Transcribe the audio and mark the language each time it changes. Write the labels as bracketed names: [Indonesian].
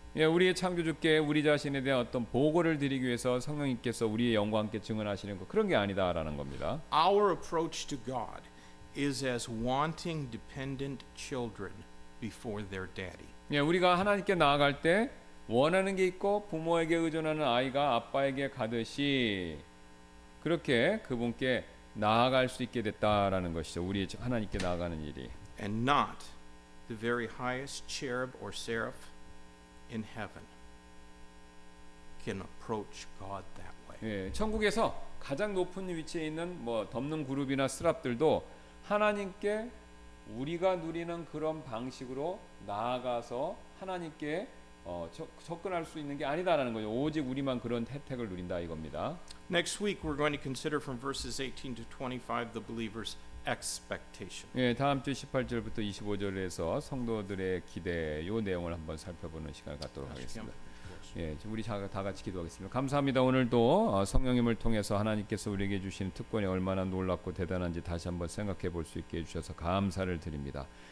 [Korean] 예, 우리의 창조주께 우리 자신에 대한 어떤 보고를 드리기 위해서 성령님께서 우리의 영광께 증언하시는 거 그런 게 아니다라는 겁니다. [English] Our approach to God is as wanting dependent children before their daddy. [Korean] 예, 우리가 하나님께 나아갈 때 원하는 게 있고 부모에게 의존하는 아이가 아빠에게 가듯이 그렇게 그분께 나아갈 수 있게 됐다라는 것이죠. 우리 하나님께 나아가는 일이. [English] And not the very highest cherub or seraph in heaven can approach God that way. [Korean] 예, 천국에서 가장 높은 위치에 있는 뭐 덮는 그룹이나 스랍들도 하나님께 우리가 누리는 그런 방식으로 나아가서 하나님께 접근할 수 있는 게 아니다라는 거죠. 오직 우리만 그런 혜택을 누린다 이겁니다. [English] Next week we're going to consider from verses 18 to 25 the believer's expectation. [Korean] 예, 다음 주 18절부터 25절에서 성도들의 기대 요 내용을 한번 살펴보는 시간을 갖도록 하겠습니다. 예, 우리 다 같이 기도하겠습니다. 감사합니다. 오늘도 성령님을 통해서 하나님께서 우리에게 주시는 특권이 얼마나 놀랍고 대단한지 다시 한번 생각해 볼 수 있게 해 주셔서 감사를 드립니다.